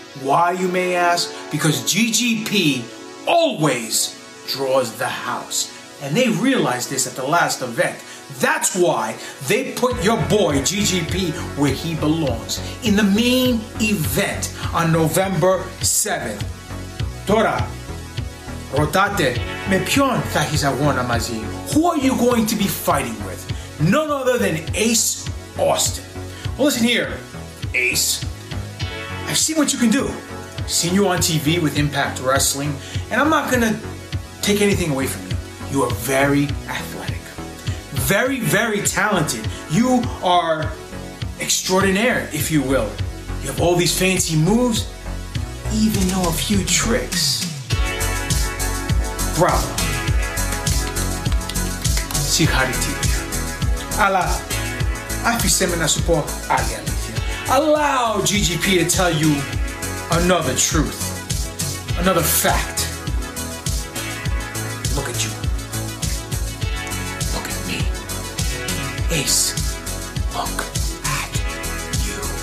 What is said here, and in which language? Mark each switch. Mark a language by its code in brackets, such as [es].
[en] Why, you may ask? Because GGP always draws the house. And they realized this at the last event. That's why they put your boy, GGP, where he belongs. In the main event on November 7th. [el] Τώρα, ρωτάτε, με ποιον θα έχεις αγώνα μαζί? [en] Who are you going to be fighting with? None other than Ace Austin. Well, listen here, Ace. I've seen what you can do. Seen you on TV with Impact Wrestling. And I'm not going to take anything away from you. You are very athletic. Very, very talented. You are extraordinaire, if you will. You have all these fancy moves. You even know a few tricks. Bravo. [el] Συγχαρητήρια. Αλλά, άφησέ με να σου πω άλλη αλήθεια. [en] Allow GGP to tell you another truth. Another fact. Look at you. Ace, look at you.